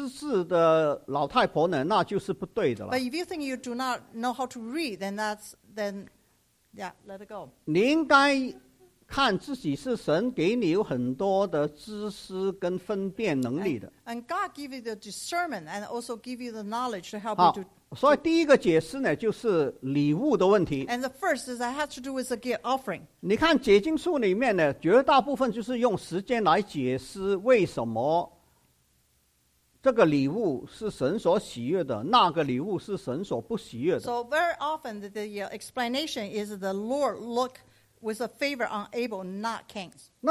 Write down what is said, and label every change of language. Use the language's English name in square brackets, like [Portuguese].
[Chinese] 如果你看自己是一个不识字的老太婆呢，那就是不对的了。 [English] But if you think you do not know how to read, then that's then, yeah, let it go. [Chinese] 你应该 看自己是神给你有很多的知识跟分辨能力的。 [English] And God give you the discernment and also give you the knowledge to help you to. [Chinese] 所以第一个解释呢，就是礼物的问题。 [English] And the first is that has to do with the gift offering. [Chinese] 你看解经书里面呢，绝大部分就是用时间来解释为什么这个礼物是神所喜悦的，那个礼物是神所不喜悦的。 [English] So very often the explanation is the Lord look with a favor on Abel, not Cain's.